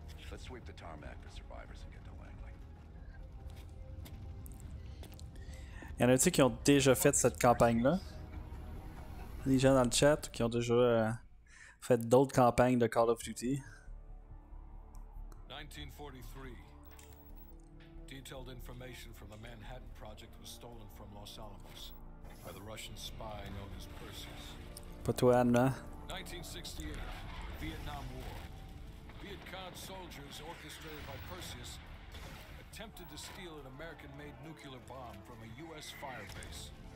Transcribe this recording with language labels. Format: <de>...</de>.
<en>Let's sweep the tarmac for survivors and get to Langley.</en> <fr>Y en a-t-il qui ont déjà fait cette campagne-là? Les gens dans le chat qui ont déjà fait d'autres campagnes de Call of Duty?</fr> <en>1943. Detailed information from the Manhattan Project was stolen from Los Alamos by the Russian spy known as Perseus.</en> <fr>Pas toi, Anna.</fr> <en>1968, Vietnam War. Viet Cong soldiers, orchestrated by Perseus, attempted to steal an American-made nuclear bomb from a U.S. firebase.</en>